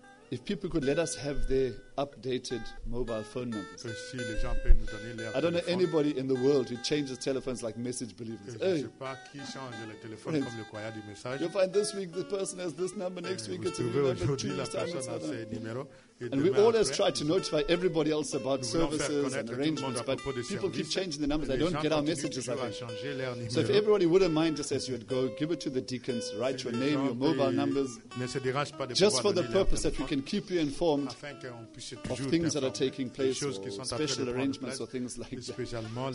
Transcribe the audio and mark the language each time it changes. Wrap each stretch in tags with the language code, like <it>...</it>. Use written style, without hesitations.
<en>if people could let us have their updated mobile phone numbers.</en> <fr>Si les gens peuvent nous donner leur</fr> <en>I don't know anybody in the world who changes telephones like message believers.</en> <fr>Je sais pas qui change le téléphone comme le croyant du message.</fr> <en>You'll find this week the person has this number, next week it's a new number, two, and we always try to notify everybody else about services and arrangements, but people keep changing the numbers. They don't get our messages. So if everybody wouldn't mind, just as you would go, give it to the deacons, write your name, your mobile numbers, just for the purpose that we can keep you informed of things that are taking place or special arrangements or things like that.</en>